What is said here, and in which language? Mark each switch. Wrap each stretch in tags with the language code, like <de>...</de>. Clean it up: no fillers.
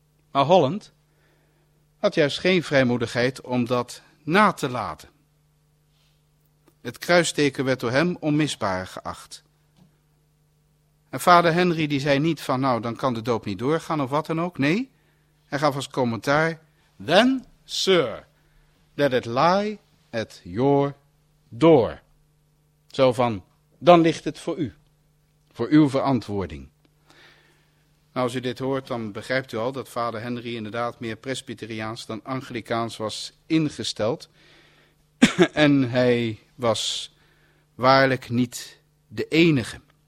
<nl>Maar Holland had juist geen vrijmoedigheid om dat na te laten. Het kruisteken werd door hem onmisbaar geacht. En vader Henry die zei niet van nou dan kan de doop niet doorgaan of wat dan ook. Nee, hij gaf als commentaar.</nl> <en>Then, sir, let it lie at your door.</en> <nl>Zo van, dan ligt het voor u. Voor uw verantwoording. Nou, als u dit hoort, dan begrijpt u al dat vader Henry inderdaad meer presbyteriaans dan anglicaans was ingesteld. En hij was waarlijk niet de enige.</nl>